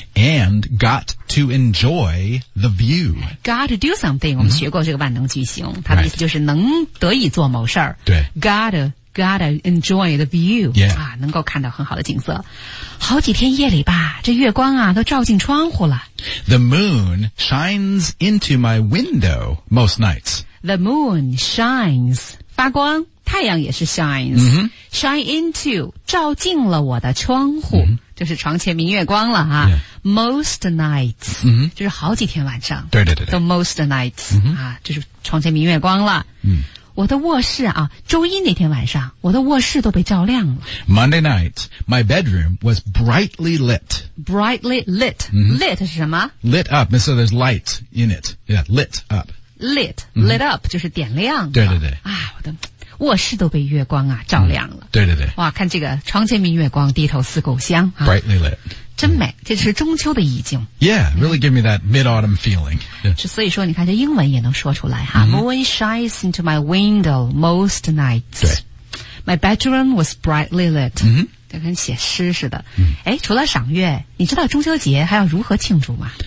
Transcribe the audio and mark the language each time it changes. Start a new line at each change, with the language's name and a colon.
English: ，and got to enjoy the view. Got to do something，、
Chinese: 我们学过这个万能句型，它的意思就是能得以做某事儿。对
English: ，gotta enjoy the view. Yeah，
Chinese: 啊，能够看到很好的景色。好几天夜里吧，这月光啊都照进窗户了。
English: The moon shines into my window most nights. The moon shines
Chinese: 发光。太阳也是 shines、
English: shine into
Chinese: 照进了我的窗户、就是床前明月光了哈、
English: most nights、
Chinese: 就是好几天晚上对对对
English: the most nights、
Chinese: 啊、就是床前明月光了、我的卧室啊周一那天晚上我的卧室都被照亮了
English: Monday night my bedroom was brightly lit brightly lit、lit
Chinese: 是什么
English: lit up so there's light in it yeah lit up lit、lit up
Chinese: 就是点亮对对对啊我的卧室都被月光啊照亮了、对对对哇看这个床前明月光低头思故乡、
English: Brightly lit
Chinese: 真美、这是中秋的意境
English: Yeah really give me that mid-autumn feeling、
Chinese: 所以说你看这英文也能说出来哈、
English: Moon shines into my window most nights
Chinese: 对
English: My bedroom was brightly lit、
Chinese: 就跟写诗似的诶除了赏月你知道中秋节还要如何庆祝吗